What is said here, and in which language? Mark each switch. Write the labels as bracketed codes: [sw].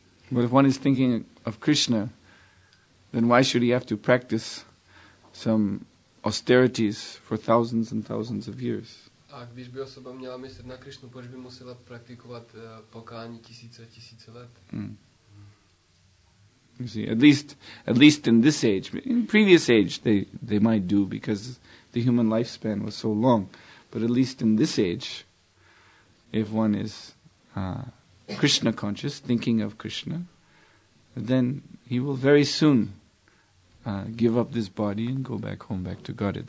[en] But if one is thinking of Krishna, then why should he have to practice some austerities for thousands and thousands of years? [cs] A když by osoba měla myslet na Krishnu, proč by musela praktikovat pokání tisíce a tisíce let? [en] You see, at least in this age, in previous age, they might do because the human lifespan was so long. But at least in this age, if one is Krishna conscious, thinking of Krishna, then he will very soon give up this body and go back to Godhead.